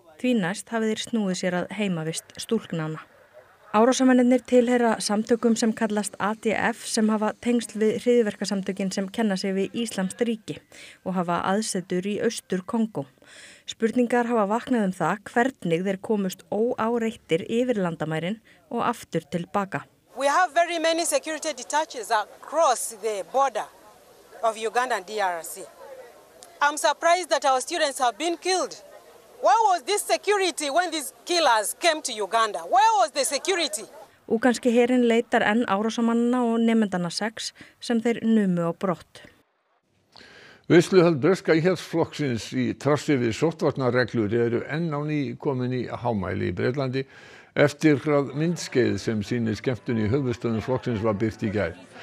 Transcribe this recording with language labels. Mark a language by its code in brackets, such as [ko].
[is] Því næst hafi þeir snúið sér að heimavist stúlknana. Árásamennirnir tilheyra samtökum sem kallast ADF sem hafa tengsl við hryðjuverkasamtökin sem kenna sig við Íslamskt ríki og hafa aðsetur í austur Kongó. Spurningar hafa vaknað það hvernig þeir komust óáreittir yfir landamærin og aftur til baka. [en] We have very many security detaches across the border of Uganda and DRC. I'm surprised that our students have been killed. Where was this security when these killers came to Uganda? Where was the security? [is] Úganski herinn leitar enn árásamannana og nemendana sex sem þeir numu á brott. Veisluhöld breska íhaldsflokksins í trassi við sóttvarnarreglur eru enn á ný komin í hámæli í Bretlandi eftir hrað myndskeið sem sýni skemmtun í höfuðstöðum flokksins var birt í gær.